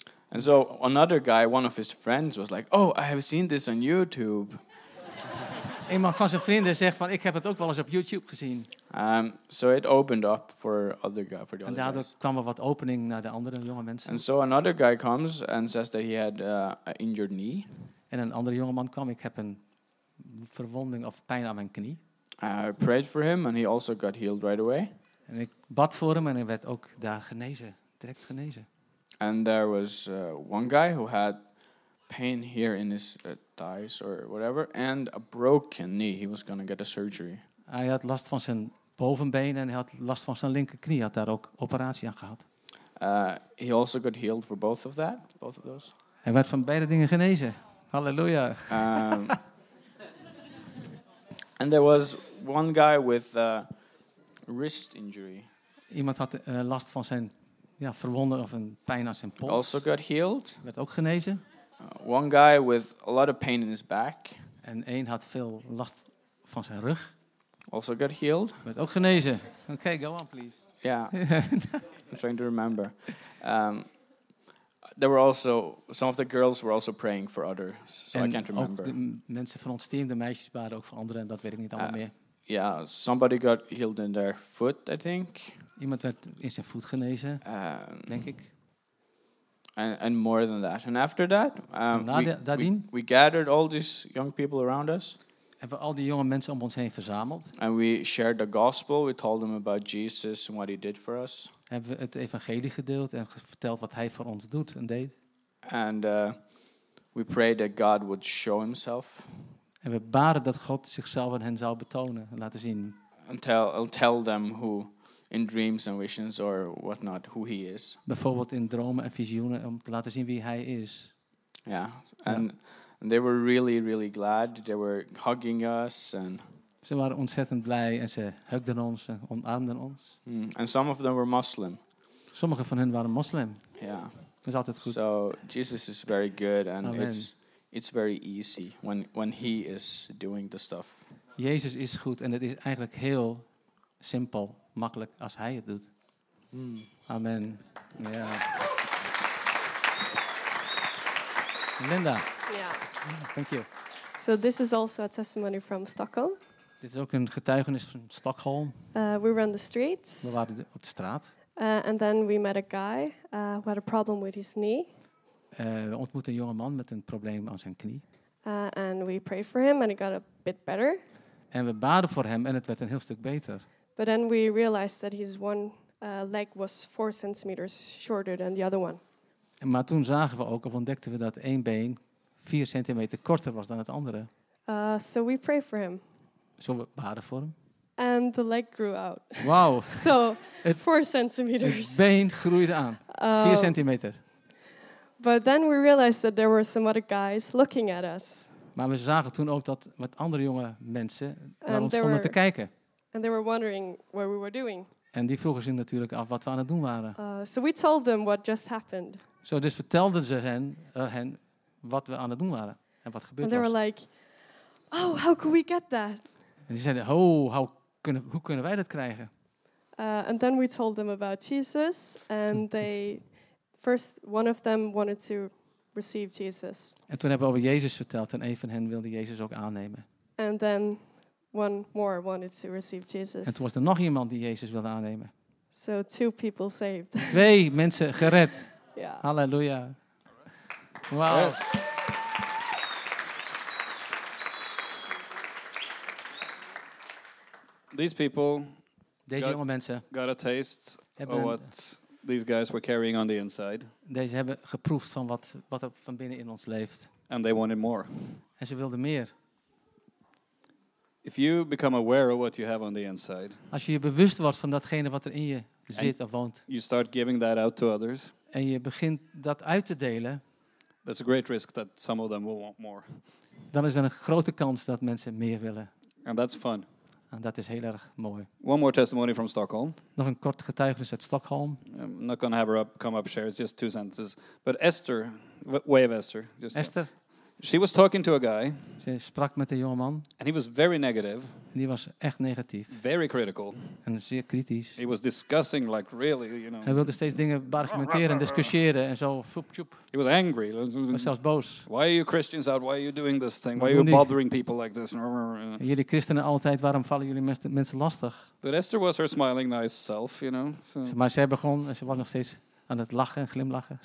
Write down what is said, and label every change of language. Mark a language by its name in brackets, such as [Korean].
[English] And so another guy, one of his friends, was like, oh, I have seen this on YouTube. [Dutch] Iemand van zijn vrienden zegt van, ik heb het ook wel eens op YouTube gezien. [English] So it opened up for other guy, for the [Dutch] en daardoor [English] other guys. [Dutch] Kwam er wat opening naar de andere jonge mensen. [English] And so another guy comes and says that he had an injured knee. [Dutch] En een andere jongeman kwam, ik heb een verwonding of pijn aan mijn knie. [English] I prayed for him and he also got healed right away. [Dutch] En ik bad voor hem en hij werd ook daar genezen, direct genezen. [English] And there was one guy who had pain here in his thighs or whatever and a broken knee. He was going to get a surgery. [Dutch] Hij had last van zijn bovenbeen en hij had last van zijn linkerknie. Hij had daar ook operatie aan gehad. [English] He also got healed for both of that, both of those. [Dutch] Hij werd van beide dingen genezen. Halleluja. [English] And there was one guy with a wrist injury. [Dutch] Iemand had last van zijn verwonden of een pijn aan zijn pols. [English] Also got healed. [Dutch] Werd ook genezen. [English] One guy with a lot of pain in his back. [Dutch] En één had veel last van zijn rug. [English] Also got healed. [Dutch] Werd ook genezen. [English] Okay, go on please. Yeah. I'm trying to remember. There were also some of the girls were also praying for others, so [Dutch] en [English] I can't remember. [Dutch] Ook de mensen van ons team, de meisjes waren ook voor anderen, en dat weet ik niet allemaal meer. [English] Yeah, somebody got healed in their foot, I think. [Dutch] Iemand werd in zijn voet genezen, denk ik. [English] And more than that. And after that, we gathered all these young people around us. [Dutch] Hebben al die jonge mensen om ons heen verzameld. [English] And we shared the gospel. We told them about Jesus and what he did for us. [Dutch] Hebben we het evangelie gedeeld en verteld wat hij voor ons doet en deed. [English] And we prayed that God would show himself. [Dutch] En we baden dat God zichzelf aan hen zou betonen en laten zien. [English] And tell them who in dreams and visions or whatnot, who he is. [Dutch] Bijvoorbeeld in dromen en visioenen om te laten zien wie hij is. [English] Yeah, and they were really, really glad. They were hugging us and [Dutch] ze waren ontzettend blij en ze hugden ons en omarmden ons. [English] And some of them were Muslim. [Dutch] Sommige van hen waren moslim. [English] Yeah. [Dutch] Dat is altijd goed. [English] So Jesus is very good and it's very easy when he is doing the stuff. [Dutch] Jezus is goed en het is eigenlijk heel simpel, makkelijk als hij het doet. Amen. Ja. Yeah. Linda. [English] Yeah. Thank you. So this is also a testimony from Stockholm. [Dutch] Dit is ook een getuigenis van Stockholm. [English] We were on the streets. [Dutch] We waren op de straat. [English] And then we met a guy who had a problem with his knee. [Dutch] We ontmoetten een jonge man met een probleem aan zijn knie. [English] And we prayed for him and it got a bit better. [Dutch] En we baden voor hem en het werd een heel stuk beter. [English] But then we realized that his one leg was 4 centimeters shorter than the other one. [Dutch] Maar toen zagen we ook of ontdekten we dat één been 4 centimeter korter was dan het andere. [English] So we prayed for him. [Dutch] Zo we baden voor hem. [English] And the leg grew out. Wow. So 4 centimeters. [Dutch] Het been groeide aan. 4 centimeter. [English] But then we realized that there were some other guys looking at us. [Dutch] Maar we zagen toen ook dat wat andere jonge mensen naar ons stonden te kijken. [English] And they were wondering what we were doing. [Dutch] En die vroegen zich natuurlijk af wat we aan het doen waren. [English] So we told them what just happened. [Dutch] Zo dus vertelden ze hen wat we aan het doen waren en wat gebeurd was. [English] And they were like, oh, how could we get that? [Dutch] En die zeiden, oh, hoe kunnen wij dat krijgen? [English] And then we told them about Jesus and they first one of them wanted to receive Jesus. [Dutch] En toen hebben we over Jezus verteld en een van hen wilde Jezus ook aannemen. [English] And then one more wanted to receive Jesus. [Dutch] En toen was er nog iemand die Jezus wilde aannemen. [English] So two people saved. [Dutch] Twee mensen gered. [English] Yeah. Halleluja. Wow. Yes. These people, [Dutch] deze jonge mensen, [English] got a taste of what these guys were carrying on the inside. [Dutch] Deze hebben geproefd van wat er van binnen in ons leeft. [English] And they wanted more. [Dutch] En ze wilden meer. [English] If you become aware of what you have on the inside, [Dutch] als je bewust wordt van datgene wat er in je zit of woont, [English] you start giving that out to others, [Dutch] en je begint dat uit te delen, [English] that's a great risk that some of them will want more. [Dutch] Dan is er een grote kans dat mensen meer willen. [English] And that's fun. [Dutch] En dat is heel erg mooi. [English] One more testimony from Stockholm. [Dutch] Nog een kort getuigenis uit Stockholm. [English] I'm not going to have her up, come up share. It's just two sentences. But Esther, way of Esther. Just Esther. She was talking to a guy. [Dutch] Ze sprak met een jongeman. [English] And he was very negative. [Dutch] Die was echt negatief. [English] Very critical. [Dutch] En zeer kritisch. [English] He was discussing like really, you know. [Dutch] Hij wilde steeds dingen argumenteren en discussiëren en zo. Foep, foep. [English] He was angry. [Dutch] Was zelfs boos. [English] Why are you Christians out? Why are you doing this thing? Why are you bothering people like this? [Dutch] Jullie christenen altijd, waarom vallen jullie mensen lastig? [English] But Esther was her smiling nice self, you know. So. [Dutch] Maar zij begon en ze was nog steeds aan het lachen en glimlachen.